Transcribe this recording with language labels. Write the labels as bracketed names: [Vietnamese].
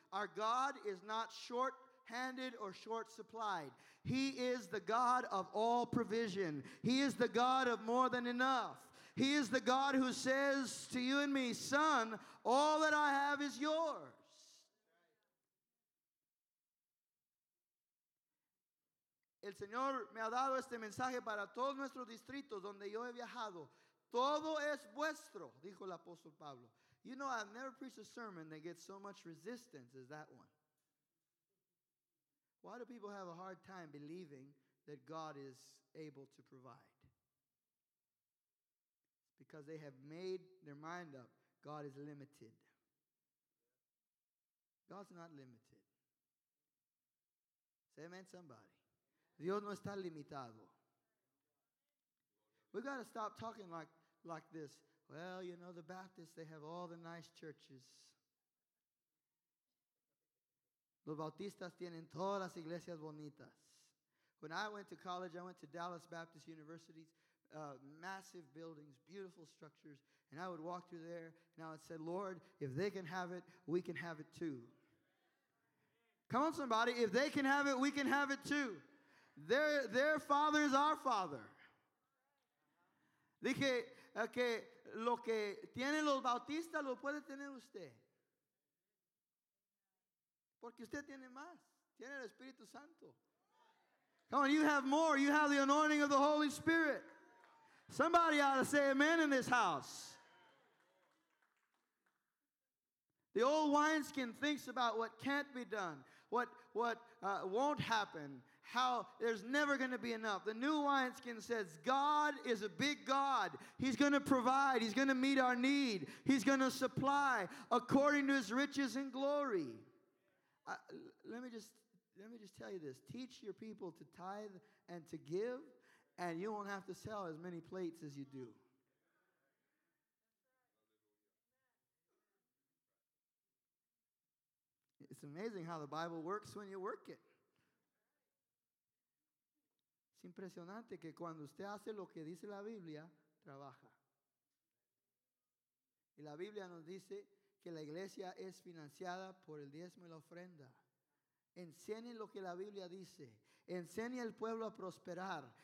[English] Our God is not short-handed or short-supplied. He is the God of all provision. He is the God of more than enough. He is the God who says to you and me, son, all that I have is yours. [Spanish] El Señor me ha dado este mensaje para todos nuestros distritos donde yo he viajado. Todo es vuestro, dijo el apóstol Pablo. [English] You know, I've never preached a sermon that gets so much resistance as that one. Why do people have a hard time believing that God is able to provide? It's because they have made their mind up. God is limited. God's not limited. Say amen, somebody. [Spanish] Dios no está limitado. [English] We've got to stop talking like this. Well, you know, the Baptists, they have all the nice churches. [Spanish] Los Bautistas tienen todas las iglesias bonitas. [English] When I went to college, I went to Dallas Baptist University. Massive buildings, beautiful structures. And I would walk through there, and I would say, Lord, if they can have it, we can have it too. Come on, somebody. If they can have it, we can have it too. Their father is our father. [Spanish] Dije que lo que tienen los bautistas lo puede tener usted. Porque usted tiene más. Tiene el Espíritu Santo. [English] Come on, you have more. You have the anointing of the Holy Spirit. Somebody ought to say amen in this house. The old wineskin thinks about what can't be done, what won't happen, how there's never going to be enough. The new wineskin says, God is a big God. He's going to provide. He's going to meet our need. He's going to supply according to his riches and glory. Let me just tell you this. Teach your people to tithe and to give, and you won't have to sell as many plates as you do. It's amazing how the Bible works when you work it. [Spanish] Es impresionante que cuando usted hace lo que dice la Biblia, trabaja. Y la Biblia nos dice que la iglesia es financiada por el diezmo y la ofrenda. Enseñe lo que la Biblia dice. Enseñe al pueblo a prosperar.